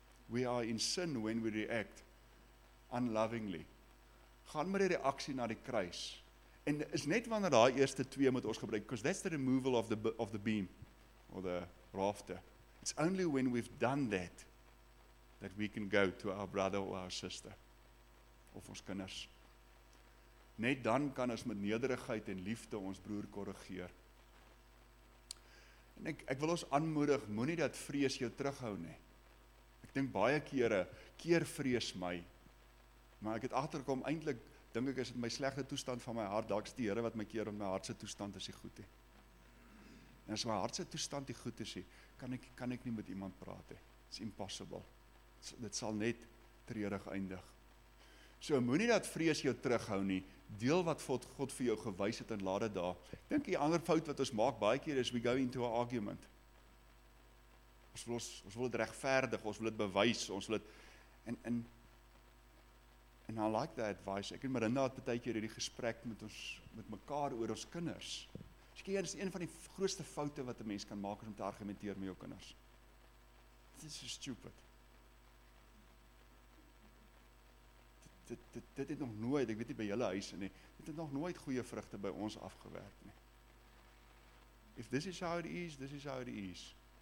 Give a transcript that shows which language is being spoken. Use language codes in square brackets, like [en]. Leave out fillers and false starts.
[en] We are in sin when we react unlovingly. [af] Gaan met die reaksie na die kruis. En is net wanneer daai eerste twee moet ons gebruik, [en] because that's the removal of the beam, or the rafter. It's only when we've done that, that we can go to our brother or our sister, [af] of ons kinders. Net dan kan ons met nederigheid en liefde ons broer korrigeer. En ek wil ons aanmoedig, moenie dat vrees jou terughou nie. Ek dink baie kere, keer vrees my, maar ek het agterkom, eintlik dink ek is dit my slegte toestand van my hart, dalk is die Here wat my keer om my hartse toestand is die goed he. En as my hartse toestand die goed is, kan ek nie met iemand praat he. [en] It's impossible. [af] Dit sal net treurig eindig. So moenie dat vrees jou terughou nie. Deel wat God vir jou gewys het en laat dit daar. Ek dink die ander fout wat ons maak baie keer is [en] we go into an argument. [af] Ons wil dit regverdig, ons wil dit bewys, ons wil dit En [en] I like that advice. [af] Ek en Marinda het baie keer hierdie gesprek met ons met mekaar oor ons kinders. Skielik is een van die grootste foute wat 'n mens kan maak is om te argumenteer met jou kinders. Dit is so stupid. Dit het nog nooit, ek weet nie by julle huise nie, dit het nog nooit goeie vrugte by ons afgewerk nie. [en] If this is how it is, this is how it is.